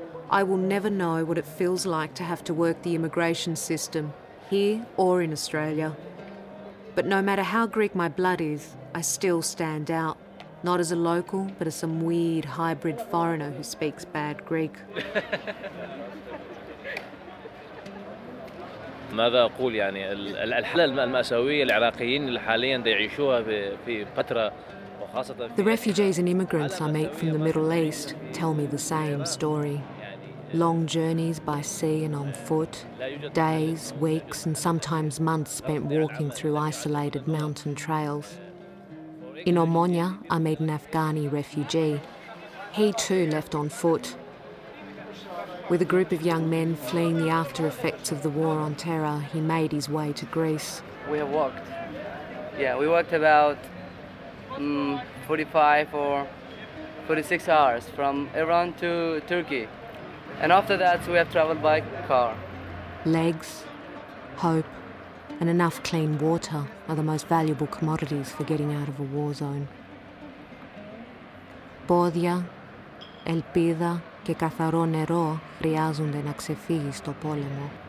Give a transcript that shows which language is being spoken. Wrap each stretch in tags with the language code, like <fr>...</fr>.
<en>I will never know what it feels like to have to work the immigration system, here or in Australia. But no matter how Greek my blood is, I still stand out. Not as a local, but as some weird hybrid foreigner who speaks bad Greek.</en> <ar>ماذا أقول يعني الحالة المأساوية العراقيين الحالية اللي يعيشوها في فترة وخاصة.</ar> <en>The refugees and immigrants I meet from the Middle East tell me the same story. Long journeys by sea and on foot, days, weeks, and sometimes months spent walking through isolated mountain trails. In Omonia, I meet an Afghani refugee. He too left on foot. With a group of young men fleeing the after effects of the war on terror, he made his way to Greece. We have walked. Yeah, we walked about 45 or 46 hours from Iran to Turkey. And after that, we have traveled by car. Legs, hope, and enough clean water are the most valuable commodities for getting out of a war zone.</en> <el>Πόδια, ελπίδα και καθαρό νερό χρειάζονται να ξεφύγεις το πόλεμο.</el>